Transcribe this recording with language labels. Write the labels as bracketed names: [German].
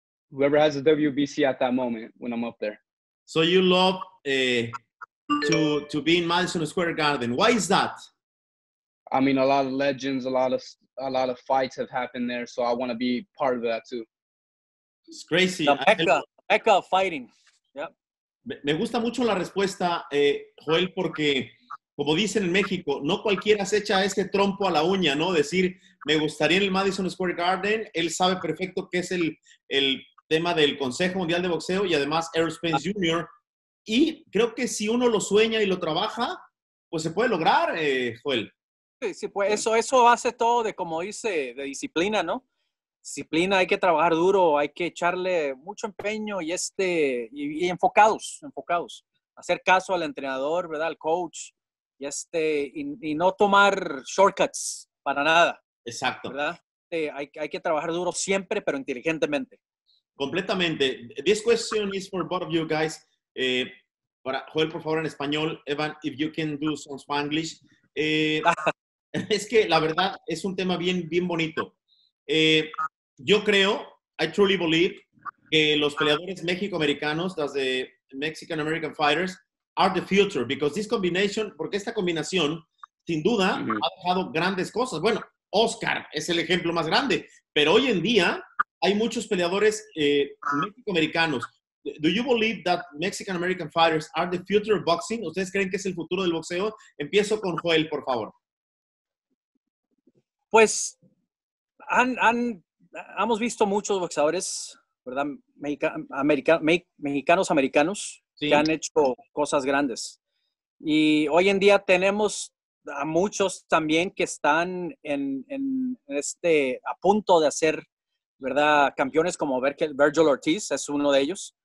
[English] whoever has a WBC at that moment when I'm up there. So you love to be in Madison Square Garden. Why is that? I mean, a lot of legends, a lot of fights have happened there. So I want to be part of that too. It's crazy. Mecca of fighting. Yep. [Spanish] Me gusta mucho la respuesta, Joel, porque, como dicen en México, no cualquiera se echa ese trompo a la uña, ¿no? Decir, me gustaría en el Madison Square Garden. Él sabe perfecto qué es el tema del Consejo Mundial de Boxeo y además Errol Spence Jr. Y creo que si uno lo sueña y lo trabaja, pues se puede lograr, Joel. Sí, pues eso hace todo de, como dice, de disciplina, ¿no? Disciplina, hay que trabajar duro, hay que echarle mucho empeño y enfocados. Hacer caso al entrenador, ¿verdad? Al coach. Y no tomar shortcuts para nada. Exacto. ¿Verdad? Hay que trabajar duro siempre, pero inteligentemente. Completamente. This question is for both of you guys. Para Joel, por favor, en español. [English] Evan, if you can do some Spanglish. [Spanish] Es que la verdad es un tema bien, bien bonito. Yo creo, [English] I truly believe, [Spanish] que los peleadores mexicoamericanos, las de [English] Mexican American Fighters, are the future, because this combination, [Spanish] porque esta combinación, sin duda, mm-hmm. ha dejado grandes cosas. Bueno, Oscar es el ejemplo más grande, pero hoy en día hay muchos peleadores mexicoamericanos. [English] Do you believe that Mexican-American fighters are the future of boxing? [Spanish] ¿Ustedes creen que es el futuro del boxeo? Empiezo con Joel, por favor. Pues, hemos visto muchos boxeadores, ¿verdad? Mexicanos-americanos. sí, que han hecho cosas grandes. Y hoy en día tenemos a muchos también que están a punto de hacer, ¿verdad?, campeones, como Virgil Ortiz es uno de ellos.